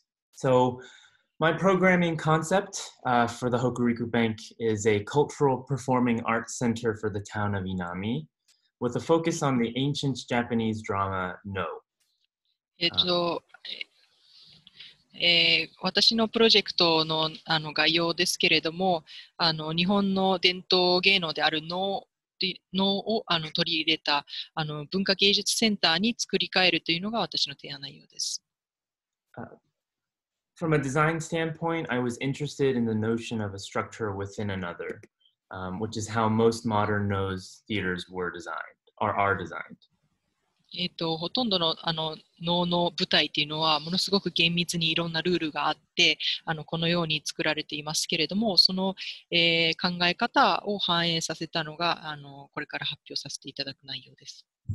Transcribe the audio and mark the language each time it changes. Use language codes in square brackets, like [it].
[en] So my programming concept for the Hokuriku Bank is a cultural performing arts center for the town of Inami, with a focus on the ancient Japanese drama, No. [ja] 私のプロジェクト の, 概要ですけれども日本の伝統芸能である能を取り入れた文化芸術センターに作り変えるというのが私の提案内容です。 [en] From a design standpoint, I was interested in the notion of a structure within another, which is how most modern NO's theaters were designed, or are designed. [ja] ほとんどの能の舞台というのはものすごく厳密にいろんなルールがあってこのように作られていますけれどもその、考え方を反映させたのがこれから発表させていただく内容です。